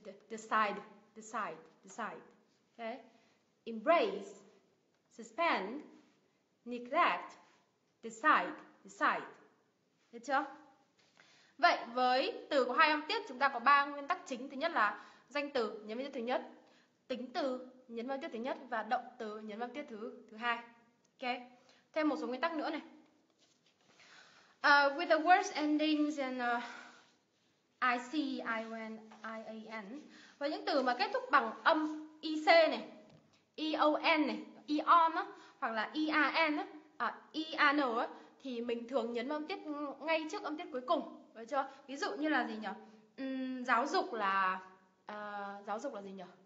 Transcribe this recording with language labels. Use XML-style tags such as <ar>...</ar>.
<en>Decide. Okay. Embrace, suspend, neglect, decide.</en> <vi>Được chưa? Vậy với từ có hai âm tiết, chúng ta có ba nguyên tắc chính. Thứ nhất là danh từ nhấn vào tiết thứ nhất, tính từ nhấn vào tiết thứ nhất và động từ nhấn vào tiết thứ hai. Ok. Thêm một số nguyên tắc nữa này.</vi> <en>With the words endings in IC, ION, IAN.</en> <vi>Và những từ mà kết thúc bằng âm IC này, ION này, ION á, hoặc là IAN á, IAN á, thì mình thường nhấn âm tiết ngay trước âm tiết cuối cùng. Được chưa? Ví dụ như là gì nhỉ? Giáo dục là gì nhỉ?</vi>